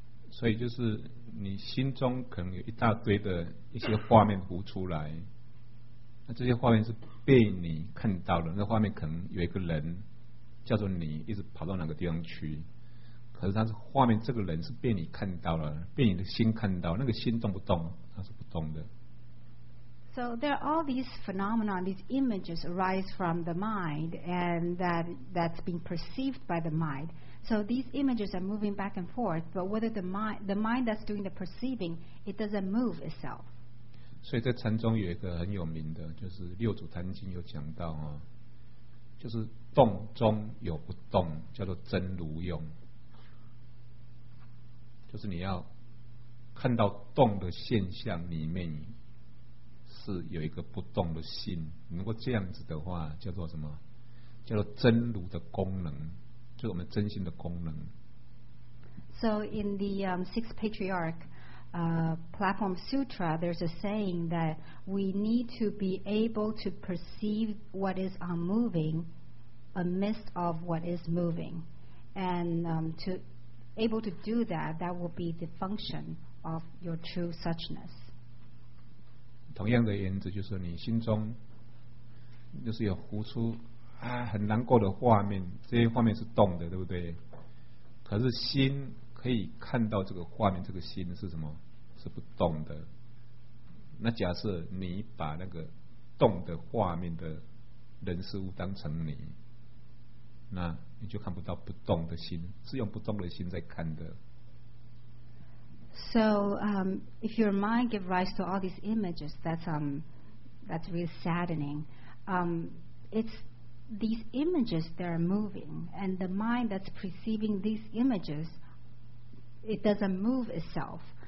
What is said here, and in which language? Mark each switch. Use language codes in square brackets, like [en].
[zh] 所以就是你心中可能有一大堆的一些画面浮出来，那这些画面是被你看到的，那画面可能有一个人叫做你一直跑到哪个地方去，可是他是画面，这个人是被你看到了，被你的心看到，那个心动不动，它是不动的。 [en] So there are all these phenomena, these images arise from the mind and that's being perceived by the mindSo these images are moving back and forth, but whether the mind that's doing the perceiving, it doesn't move itself. [zh] 所以在禅宗有一个很有名的，就是六祖坛经有讲到啊，就是动中有不动，叫做真如用。就是你要看到动的现象里面是有一个不动的心，如果这样子的话，叫做什么？叫做真如的功能。就我们真心的功能。 [en] So in the Sixth Patriarch Platform Sutra, there's a saying that we need to be able to perceive what is unmoving amidst of what is moving. And to able to do that, that will be the function of your true suchness. [zh] 同样的原则就是你心中就是有浮出啊，很难过的画面，这些画面是动的，对不对？可是心可以看到这个画面，这个心是什么？是不动的。那假设你把那个动的画面的人事物当成你，那你就看不到不动的心，是用不动的心在看的。 [en] So, if your mind gives rise to all these images, that's really saddening. It's these images that are moving, and the mind that's perceiving these images, it doesn't move itself.